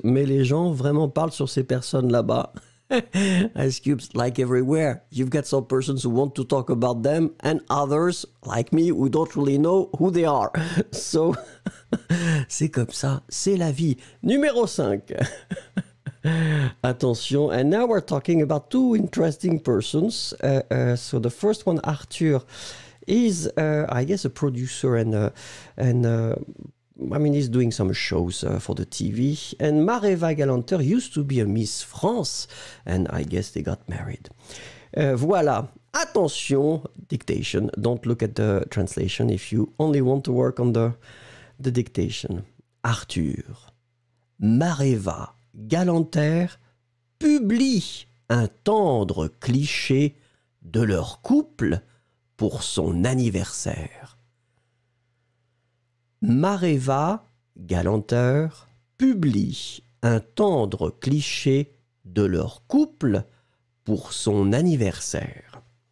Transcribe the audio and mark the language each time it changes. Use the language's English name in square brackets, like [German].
[French] Mais les gens vraiment parlent sur ces personnes là-bas. [English] Ice Cubes, like everywhere, you've got some persons who want to talk about them and others, like me, who don't really know who they are. [French] So, c'est comme ça, c'est la vie. Numéro 5. [English] Attention, and now we're talking about two interesting persons. So the first one, Arthur, is, I guess, a producer and he's doing some shows for the TV. And Mareva Galanter used to be a Miss France. And I guess they got married. Voilà. Attention, dictation. Don't look at the translation if you only want to work on the dictation. Arthur. Mareva Galanter [French] publient un tendre cliché de leur couple pour son anniversaire. Mareva, galanteur, publie un tendre cliché de leur couple pour son anniversaire.